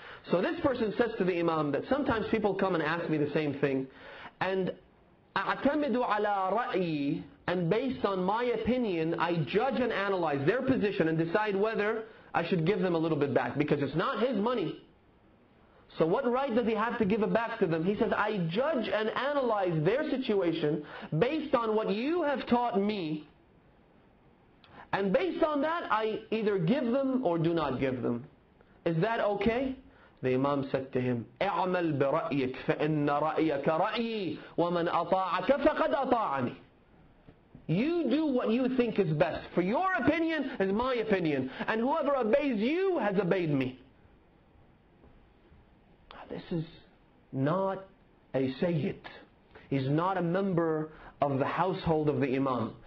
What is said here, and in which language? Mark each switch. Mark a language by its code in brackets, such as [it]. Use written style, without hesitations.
[en] So this person says to the Imam that sometimes people come and ask me the same thing, and [ar] أَعْتَمِدُ عَلَىٰ رَأْيِي, [en] and based on my opinion, I judge and analyze their position and decide whether I should give them a little bit back, because it's not his money. So what right does he have to give it back to them? He says, I judge and analyze their situation based on what you have taught me. And based on that, I either give them or do not give them. Is that okay? The Imam said to him, [ar] اعمل برأيك فإن رأيك رأيي ومن أطاعك فقد أطاعني. [en] You do what you think is best. For your opinion is my opinion. And whoever obeys you has obeyed me. This is not a Sayyid. He's not a member of the household of the Imam.